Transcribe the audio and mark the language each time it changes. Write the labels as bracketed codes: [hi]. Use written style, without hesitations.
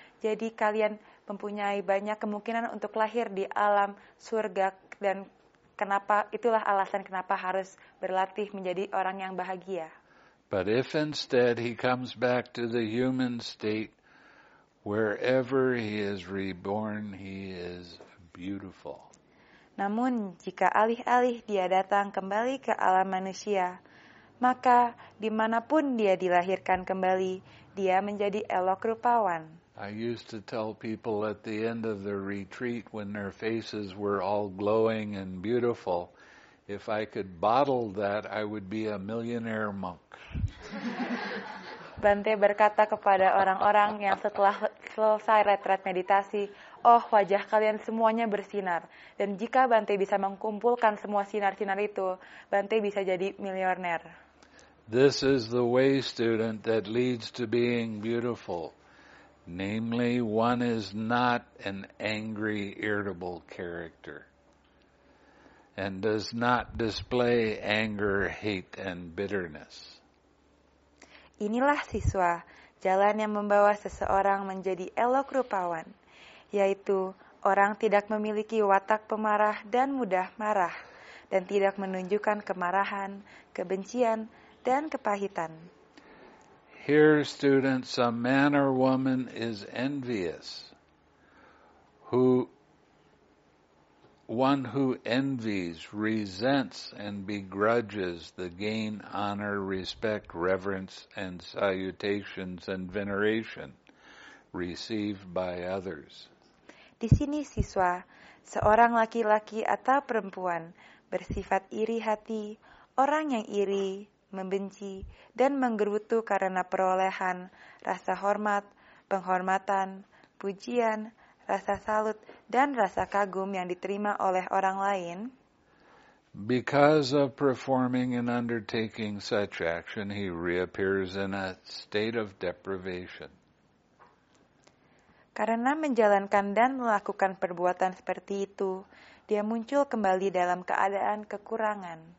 [id] Jadi kalian mempunyai banyak kemungkinan untuk lahir di alam surga dan kenapa itulah alasan kenapa harus berlatih menjadi orang yang bahagia. [en] But if instead he comes back to the human state, wherever he is reborn, he is beautiful. [id] Namun jika alih-alih dia datang kembali ke alam manusia, maka dimanapun dia dilahirkan kembali, dia menjadi elok rupawan. [en] I used to tell people at the end of the retreat when their faces were all glowing and beautiful, if I could bottle that, I would be a millionaire monk. [id] Bante berkata kepada orang-orang yang setelah selesai retret meditasi, oh wajah kalian semuanya bersinar. Dan jika Bante bisa mengumpulkan semua sinar-sinar itu, Bante bisa jadi miliuner. [en] This is the way, student, that leads to being beautiful. Namely, one is not an angry, irritable character and does not display anger, hate, and bitterness. [id] Inilah, siswa, jalan yang membawa seseorang menjadi elok rupawan, yaitu orang tidak memiliki watak pemarah dan mudah marah, dan tidak menunjukkan kemarahan, kebencian, dan kepahitan. [en] Here, students, a man or woman is envious. One who envies, resents, and begrudges the gain, honor, respect, reverence, and salutations and veneration received by others. [id] Di sini, siswa, seorang laki-laki atau perempuan bersifat iri hati, orang yang iri, membenci, dan menggerutu karena perolehan, rasa hormat, penghormatan, pujian, rasa salut, dan rasa kagum yang diterima oleh orang lain. [en] Because of performing and undertaking such action, he reappears in a state of deprivation. [id] Karena menjalankan dan melakukan perbuatan seperti itu, dia muncul kembali dalam keadaan kekurangan.